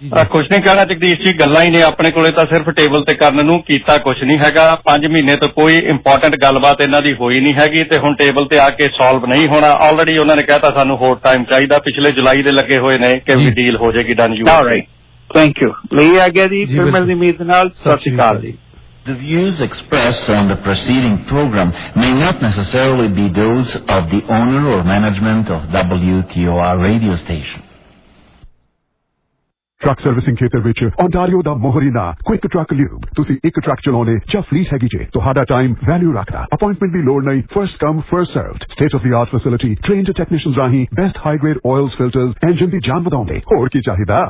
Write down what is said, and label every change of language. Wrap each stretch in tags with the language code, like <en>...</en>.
<pa>ਕੁਛ ਨੀ ਕਹਿਣਾ ਜਗਦੀਸ਼ ਜੀ ਗੱਲਾਂ ਹੀ ਨੇ ਆਪਣੇ ਕੋਲੇ ਤਾਂ ਸਿਰਫ ਟੇਬਲ ਤੇ ਕਰਨ ਨੂੰ ਕੀਤਾ ਕੁਛ ਨੀ ਹੈਗਾ</pa> <en>5 months</en> <pa>ਤੋਂ ਕੋਈ ਇੰਪੋਰਟੈਂਟ ਗੱਲਬਾਤ ਇਹਨਾਂ ਦੀ ਹੋਈ ਨੀ ਹੈਗੀ ਤੇ ਹੁਣ ਟੇਬਲ ਤੇ ਆ ਕੇ ਸੋਲਵ ਨਹੀਂ ਹੋਣਾ ਆਲਰੇਡੀ ਉਹਨਾਂ ਨੇ ਕਹਿਤਾ ਸਾਨੂੰ ਹੋਰ ਟਾਈਮ ਚਾਹੀਦਾ ਪਿਛਲੇ ਜੁਲਾਈ ਦੇ ਲੱਗੇ ਹੋਏ ਨੇ ਕਿ ਵੀ ਡੀਲ ਹੋ ਜਾਏਗੀ ਡਨ ਯੂ ਥੈਂਕ ਯੂ ਲਈ ਆ ਗਿਆ ਜੀ ਫਿਰ ਮਿਲਦੀ ਉਮੀਦ ਨਾਲ ਸਤਿ ਸ਼੍ਰੀ ਅਕਾਲ ਜੀ</pa> <en>The views expressed on the preceding program may not necessarily be those of the owner or management of WTOR radio station.</en> <pa>Truck servicing ਖੇਤਰ ਵਿੱਚ ਓਂਟਾਰੀਓ ਦਾ ਮੋਹਰੀਨਾ ਕੁਇਕ ਟਰੱਕ ਲਿਊਬ ਤੁਸੀਂ ਇੱਕ ਟਰੱਕ ਚਲਾਉਣੇ ਜਾਂ ਫਲੀਟ ਹੈਗੀ ਜੇ ਤੁਹਾਡਾ ਟਾਈਮ ਵੈਲਿਊ ਰੱਖਦਾ ਅਪਾਇੰਟਮੈਂਟ ਦੀ ਲੋੜ ਨਹੀਂ</pa> <en>first come first served state of the art facility trained technicians</en> <pa>ਰਾਹੀਂ best high grade IELTS filters engine ਦੀ ਜਾਨ ਵਧਾਉਂਦੇ ਹੋਰ ਕੀ ਚਾਹੀਦਾ</pa>